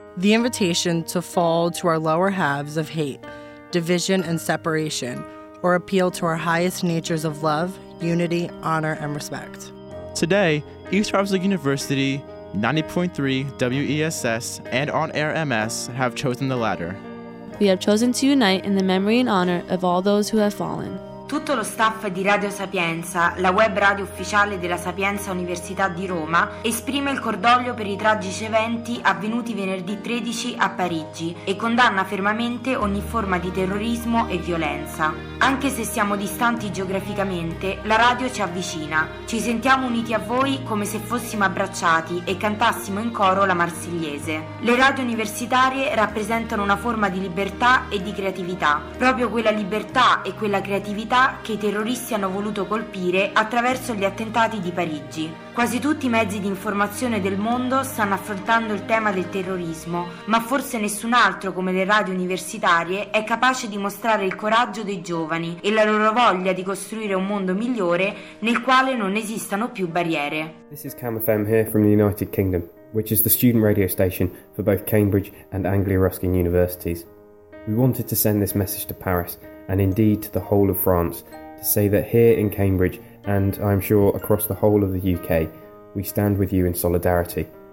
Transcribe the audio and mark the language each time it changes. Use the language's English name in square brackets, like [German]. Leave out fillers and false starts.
[English] The invitation to fall to our lower halves of hate, division, and separation, or appeal to our highest natures of love, unity, honor, and respect. Today, East Harvard University, 90.3 WESS, and On Air MS have chosen the latter. We have chosen to unite in the memory and honor of all those who have fallen. [Italian] Tutto lo staff di Radio Sapienza, la web radio ufficiale della Sapienza Università di Roma, esprime il cordoglio per i tragici eventi avvenuti venerdì 13 a Parigi e condanna fermamente ogni forma di terrorismo e violenza. Anche se siamo distanti geograficamente, la radio ci avvicina. Ci sentiamo uniti a voi come se fossimo abbracciati e cantassimo in coro la Marsigliese. Le radio universitarie rappresentano una forma di libertà e di creatività. Proprio quella libertà e quella creatività che i terroristi hanno voluto colpire attraverso gli attentati di Parigi. Quasi tutti i mezzi di informazione del mondo stanno affrontando il tema del terrorismo, ma forse nessun altro come le radio universitarie è capace di mostrare il coraggio dei giovani e la loro voglia di costruire un mondo migliore nel quale non esistano più barriere. [English] This is Cam FM here from the United Kingdom, which is the student radio station for both Cambridge and Anglia Ruskin Universities. We wanted to send this message to Paris, and indeed to the whole of France, to say that here in Cambridge, and I'm sure across the whole of the UK, we stand with you in solidarity.